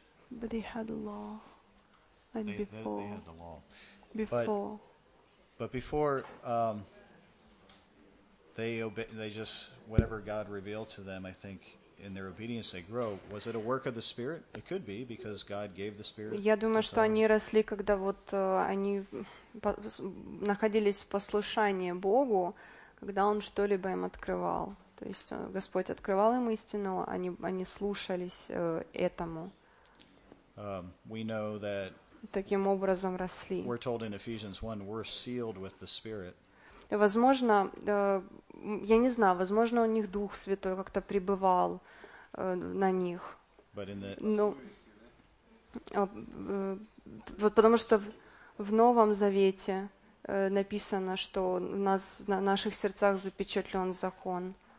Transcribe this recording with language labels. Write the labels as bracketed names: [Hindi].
[English] But they had the law. Like they had the law. Before. But before, they obey. They just, whatever God revealed to them, I think, in their obedience, they grow. Was it a work of the Spirit? It could be, because God gave the Spirit. [Russian] Я думаю, что они росли, когда вот они находились в послушании Богу, когда Он что-либо им открывал. То есть Господь открывал им истину, они слушались этому. [English] We know that. [Russian] Таким образом росли. [English] We're told in Ephesians 1, we're sealed with the Spirit. [Russian] Возможно, я не знаю, возможно, у них Дух Святой как-то пребывал на них. Но, вот потому что в Новом Завете написано, что у нас в наших сердцах запечатлен закон.